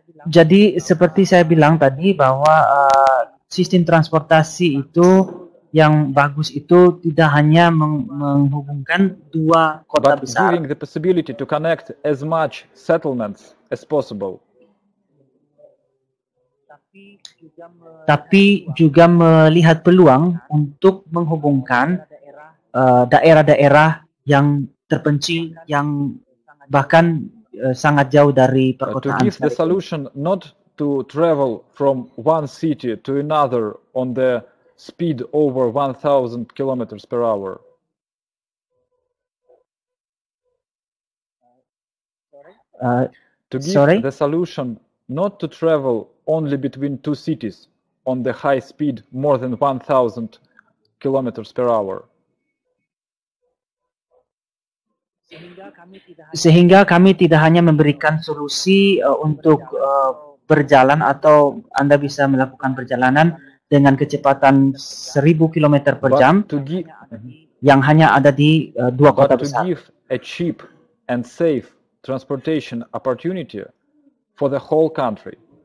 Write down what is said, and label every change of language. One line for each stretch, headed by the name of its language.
Indonesian: Jadi seperti saya bilang tadi bahwa sistem transportasi itu yang bagus itu tidak hanya menghubungkan dua kota
English: but
Indonesian: besar.
English: But giving the possibility to connect as much settlements as possible.
Indonesian: Tapi juga melihat peluang untuk menghubungkan daerah-daerah yang terpencil yang bahkan sangat jauh dari perkotaan.
English: To give the solution not to travel from one city to another on the speed over 1,000 kilometers per hour. The solution not to travel only between two cities on the high speed more than 1,000 kilometers per hour.
Indonesian: Sehingga kami tidak hanya memberikan solusi untuk berjalan atau Anda bisa melakukan perjalanan dengan kecepatan 1000 km per jam yang hanya ada di dua kota besar.
English: But to give a cheap and safe transportation opportunity for the whole country.